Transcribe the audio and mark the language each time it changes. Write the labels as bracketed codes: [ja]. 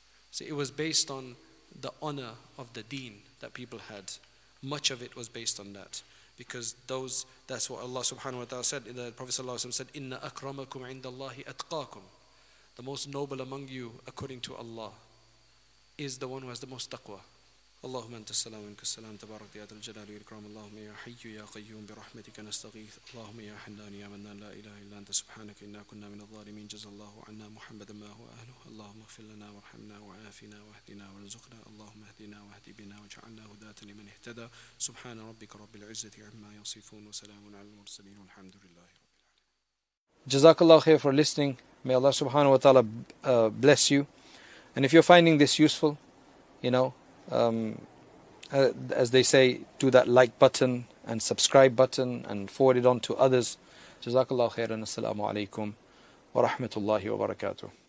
[en] So it was based on the honor of the deen that people had. Much of it was based on that. Because that's what Allah subhanahu wa ta'ala said, the Prophet sallallahu alayhi wa sallam said, [ar] إِنَّ أَكْرَمَكُمْ عِنْدَ اللَّهِ أَتْقَاكُمْ. [en] The most noble among you, according to Allah, is the one who has the most taqwa. [ar] اللهم انت السلام منك السلام تبارك يا ذا الجلال والاكرام اللهم يا حي يا قيوم برحمتك نستغيث اللهم يا حنان يا منان لا اله الا انت سبحانك انا كنا من الظالمين جزى الله عنا محمدا ما هو اهله اللهم اغفر لنا وارحمنا وعافنا واهدنا وارزقنا اللهم اهدنا واهد بنا واجعلنا هداة لمن اهتدى سبحان ربك رب العزة عما يصفون وسلام على المرسلين والحمد لله رب العالمين. جزاك الله خير [en] for listening. May Allah subhanahu wa ta'ala bless you. And if you're finding this useful, you know, as they say, do that like button and subscribe button and forward it on to others. Jazakallah khairan. Assalamu alaikum wa rahmatullahi wa barakatuh.